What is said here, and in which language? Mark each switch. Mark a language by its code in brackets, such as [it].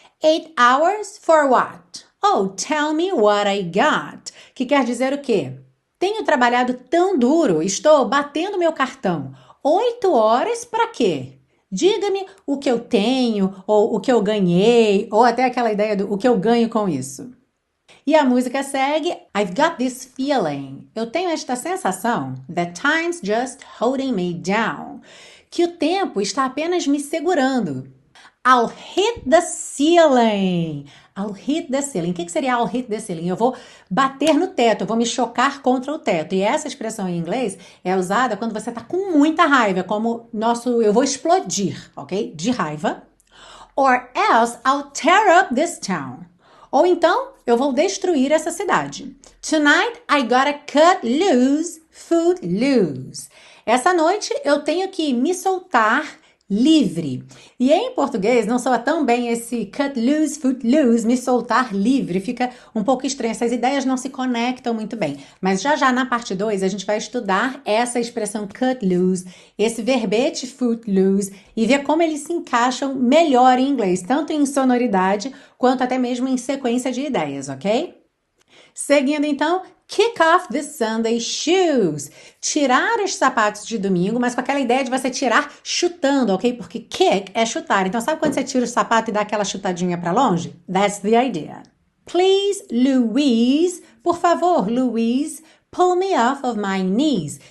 [en] 8 hours for what? Oh, tell me what I got. [pt] Que quer dizer o quê? Tenho trabalhado tão duro, estou batendo meu cartão. 8 horas para quê? Diga-me o que eu tenho, ou o que eu ganhei, ou até aquela ideia do o que eu ganho com isso. E a música segue: [en] I've got this feeling. [pt] Eu tenho esta sensação. [en] That time's just holding me down. [pt] Que o tempo está apenas me segurando. [en] I'll hit the ceiling. I'll hit the ceiling. [pt] O que seria I'll hit the ceiling? Eu vou bater no teto, eu vou me chocar contra o teto. E essa expressão em inglês é usada quando você está com muita raiva, como nosso eu vou explodir, ok? De raiva. [en] Or else I'll tear up this town. [pt] Ou então eu vou destruir essa cidade. [en] Tonight I gotta cut loose, footloose. [pt] Essa noite eu tenho que me soltar. Livre. E em português não soa tão bem esse cut loose, foot loose, me soltar livre. Fica um pouco estranho, essas ideias não se conectam muito bem. Mas já na parte 2 a gente vai estudar essa expressão cut loose, esse verbete foot loose e ver como eles se encaixam melhor em inglês, tanto em sonoridade quanto até mesmo em sequência de ideias, ok? Seguindo então, [en] Kick off the Sunday shoes. [pt] Tirar os sapatos de domingo, mas com aquela ideia de você tirar chutando, ok? Porque kick é chutar. Então, sabe quando você tira o sapato e dá aquela chutadinha para longe? [en] That's the idea. Please, Louise, [pt] por favor, [en] Louise, pull me off of my knees.